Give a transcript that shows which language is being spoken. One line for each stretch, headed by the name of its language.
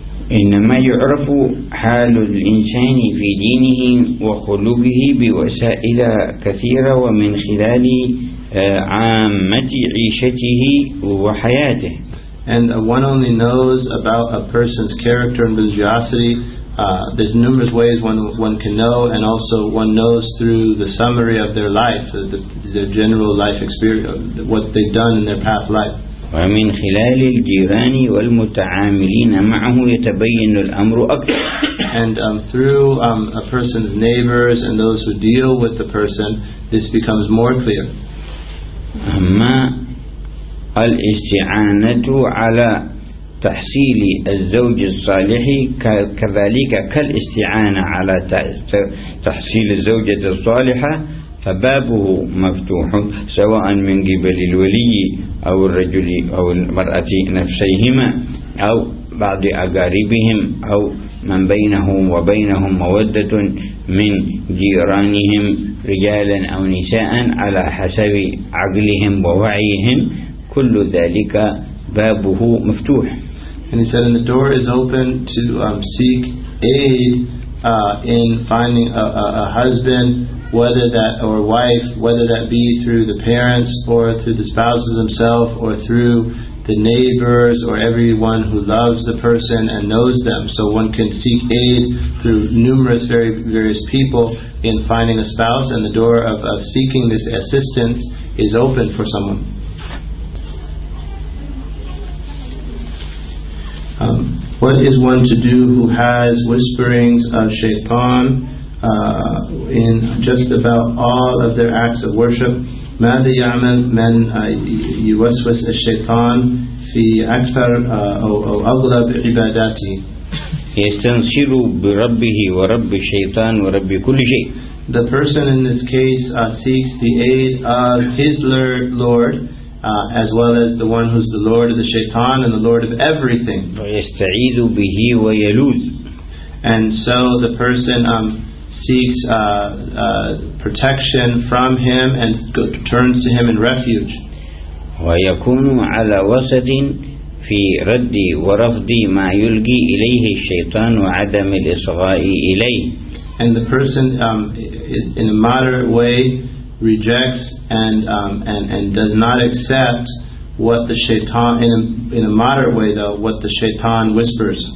Arabic: وإنما يعرف حال الإنسان في دينه وخلقه بوسائل كثيرة ومن خلال عامة عيشته وحياته.
English: And one only knows about a person's character and religiosity. There's numerous ways one can know, and also one knows through the summary of their life, their general life experience, what they've done in their past life.
Arabic: ومن خلال الجيران والمتعاملين معه يتبين الأمر أكثر.
English: And through a person's neighbors and those who deal with the person, this becomes more clear.
Arabic: أما الاستعانة على تحصيل الزوج الصالح كذلك كالاستعانة على تحصيل الزوجة الصالحة فبابه مفتوح سواء من قبل الولي أو الرجل أو المرأة نفسيهما أو بعض أقاربهم أو من بينهم وبينهم مودة من جيرانهم رجالا أو نساء على حسب عقلهم ووعيهم كل ذلك بابه مفتوح.
English: And he said, and the door is open to seek aid in finding a husband, whether that or wife, whether that be through the parents or through the spouses themselves or through the neighbors or everyone who loves the person and knows them. So one can seek aid through numerous very various people in finding a spouse, and the door of seeking this assistance is open for someone. What is one to do who has whisperings of shaitan in just about all of their acts of worship?
Arabic: ماذا يعمل من يوسوس الشيطان في أكثر أو أغلب عباداته. يستنصر بربه ورب الشيطان ورب كل شيء.
English: The person in this case seeks the aid of his Lord as well as the one who's the Lord of the Shaitan and the Lord of everything.
Arabic: ويستعيذ به ويلوذ.
English: And so the person seeks protection from him and turns to him in refuge.
Arabic: ويكون على وسط في رد ورفض ما يلقي إليه الشيطان وعدم الإصغاء إليه.
English: And the person in a moderate way rejects and does not accept what the shaitan in a moderate way though what the shaitan whispers.